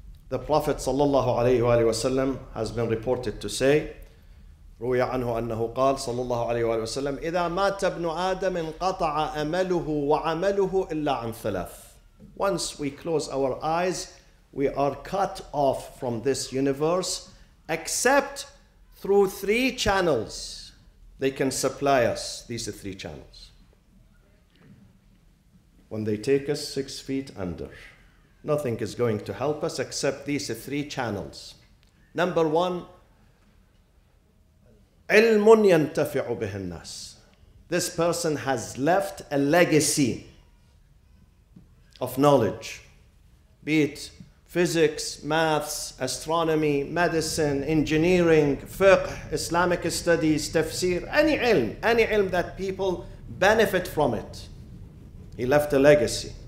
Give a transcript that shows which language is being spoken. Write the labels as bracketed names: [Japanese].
[English] The Prophet sallallahu alayhi wa sallam has been reported to say, [Arabic] روي عنه أنه قال صلى الله عليه وآله وسلم إذا مات ابن آدم انقطع أمله وعمله إلا عن ثلاث [English] Once we close our eyes, we are cut off from this universe, except through three channels. They can supply us. These are three channels. When they take us 6 feet under, nothing is going to help us except these are three channels. Number one, [Arabic] علمٌ ينتفع به الناس. [English] This person has left a legacy of knowledge, be it physics, maths, astronomy, medicine, engineering, fiqh, Islamic studies, tafsir, any ilm that people benefit from it. He left a legacy.